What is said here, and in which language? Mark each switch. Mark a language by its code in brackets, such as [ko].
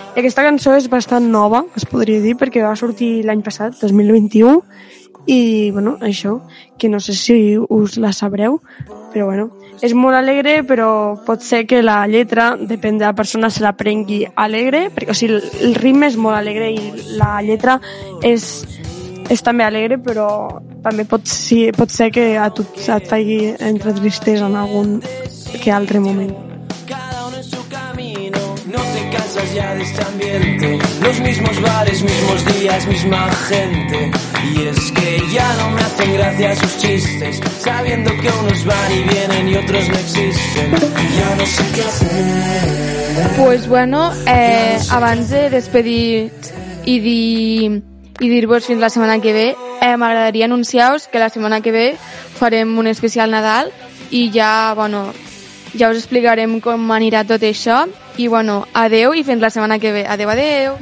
[ca] I aquesta cançó és bastant nova, es podria dir, perquè va sortir l'any passat, 2021, i, bueno, això, que no sé si us la sabreu, però, bueno, és molt alegre, però pot ser que la lletra, depèn de la persona, se la prengui alegre, perquè, o sigui, el ritme és molt alegre i la lletra és també alegre, però també pot ser que a tu et faci entre tristesa en algun que altre moment. [es] Cada uno en su camino, no te cansas ya de este ambiente, los mismos bares, mismos días, misma gente, y es que ya no me hacen gracia sus chistes, sabiendo que unos van y vienen y otros no existen, y ya no sé qué hacer. [ca] Pues bueno, abans de despedir i dir-vos fins la setmana que ve, m'agradaria anunciar-vos que la setmana que ve farem un especial Nadal i ja, bueno, ja us explicarem com anirà tot això i, bueno, adeu i fins la setmana que ve. Adeu, adeu!